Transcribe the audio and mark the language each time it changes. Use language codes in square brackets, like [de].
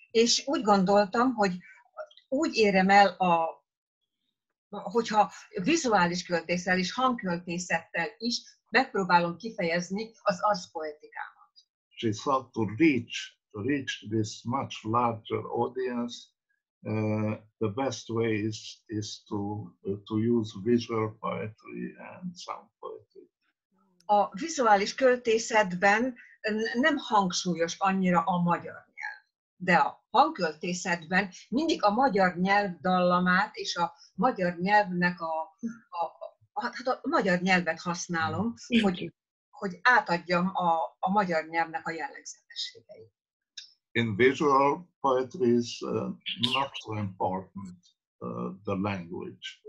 [hu] És úgy gondoltam, hogy úgy érem el hogyha vizuális költészettel és hangköltészettel is megpróbálom kifejezni az arszpoetikámat. [en] She thought to reach this much larger audience, the best way is to use visual poetry and sound poetry. [hu] A vizuális költészetben nem hangsúlyos annyira a magyar nyelv, de a hangköltészetben mindig a magyar nyelv dallamát és a magyar nyelvnek a magyar nyelvet használom, hogy átadjam a magyar nyelvnek a jellegzetességeit. [en] In visual poetry is not so important the language.